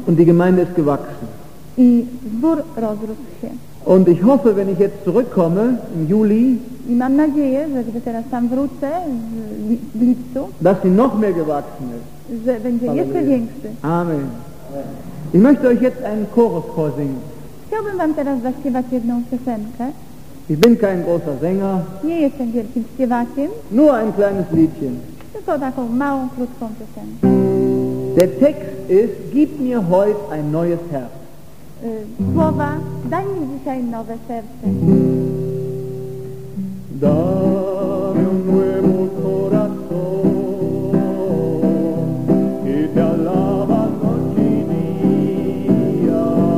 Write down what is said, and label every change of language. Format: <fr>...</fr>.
<de>Und die Gemeinde ist gewachsen.</de> <pl>I zbór rozrósł się.</pl> <de>Und ich hoffe, wenn ich jetzt zurückkomme im Juli.</de> <pl>I mam nadzieję, że gdy teraz tam wrócę w lipcu,</pl> <de>dass sie noch mehr gewachsen ist.</de> <pl>Że będzie jeszcze większy. Amen.</pl> <de>Ich möchte euch jetzt einen Chorus vorsingen.</de> <pl>Chciałbym wam teraz zaśpiewać jedną piosenkę.</pl> <de>Ich bin kein großer Sänger.</de> <pl>Nie jestem wielkim śpiewakiem.</pl> <de>Nur ein kleines Liedchen.</de> <pl>Tylko taką małą, krótką piosenkę.</pl> <de>Der Text ist, gib mir heute ein neues Herz.</de> <pl>Słowa, daj mi dzisiaj nowe serce.</pl> <es>Dame un nuevo corazón y te alaba noche y día.</es>